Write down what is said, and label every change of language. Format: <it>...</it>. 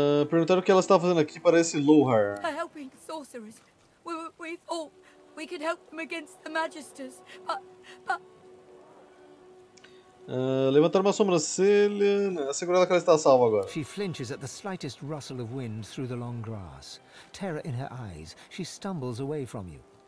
<pt>Perguntaram o que ela estava fazendo aqui para esse Lohar.</pt> <en>Helping sorcerers. We thought we could help them against the magisters, but...</en> <pt>Levantar uma sobrancelha, assegurando que ela está salva agora.</pt> <en>She flinches at the slightest rustle of wind through the long grass. Terror in her eyes, she stumbles away from you.</en>